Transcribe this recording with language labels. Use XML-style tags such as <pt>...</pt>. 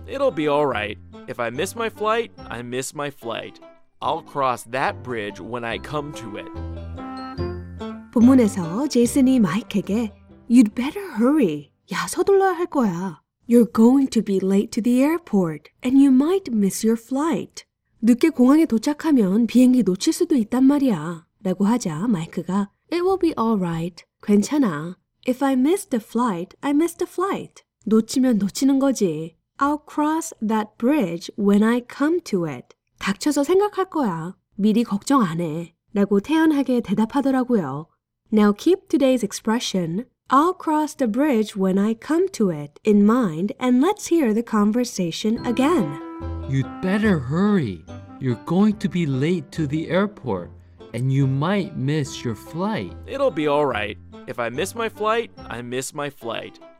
<en>It'll be all right. If I miss my flight, I miss my flight. I'll cross that bridge when I come to it.</en> <ko>본문에서 제이슨이 마이크에게</ko> <en>You'd better hurry.</en> <ko>야, 서둘러야 할 거야.</ko> <en>You're going to be late to the airport, and you might miss your flight.</en> <ko>늦게 공항에 도착하면 비행기 놓칠 수도 있단 말이야. 라고 하자 마이크가</ko> <en>It will be all right.</en> <ko>괜찮아.</ko> <en>If I miss the flight, I miss the flight.</en> <ko>놓치면 놓치는 거지.</ko> <en>I'll cross that bridge when I come to it.</en> <ko>닥쳐서 생각할 거야. 미리 걱정 안 해. 라고 태연하게 대답하더라고요.</ko> <en>Now keep today's expression. I'll cross the bridge when I come to it in mind and let's hear the conversation again. You'd better hurry. You're going to be late to the airport and you might miss your flight. It'll be all right. If I miss my flight, I miss my flight.</en>